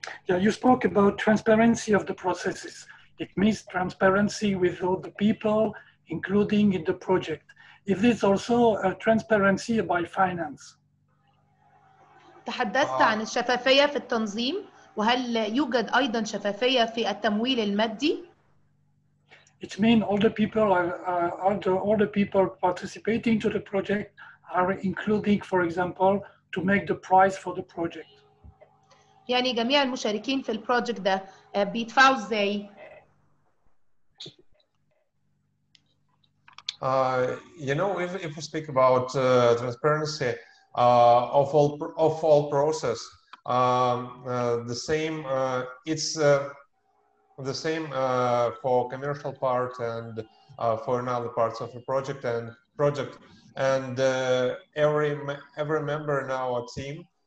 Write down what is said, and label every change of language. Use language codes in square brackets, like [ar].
[en] Yeah, you spoke about transparency of the processes. It means transparency with all the people including in the project. Is this also a transparency by finance? [ar] تحدثت عن الشفافية في التنظيم وهل يوجد أيضا شفافية في التمويل المادي؟ [en] It means all the people participating to the project are including, for example, to make the price for the project. [ar] يعني جميع المشاركين في البروجكت ده بيدفعوا ازاي؟ [en] You know, if we speak about transparency of all process, the same. It's the same for commercial part and for another parts of the project. And every member in our team